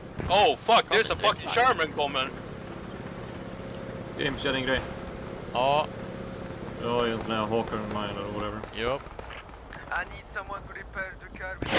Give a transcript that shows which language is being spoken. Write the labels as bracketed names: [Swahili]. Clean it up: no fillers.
[English] Oh fuck, there's a fucking Sherman coming! [Swedish] James, jag har en grej. Ja. Jag har ju en sån här Hawker and Mine eller whatever. Jop. [English] I need someone to repair the car.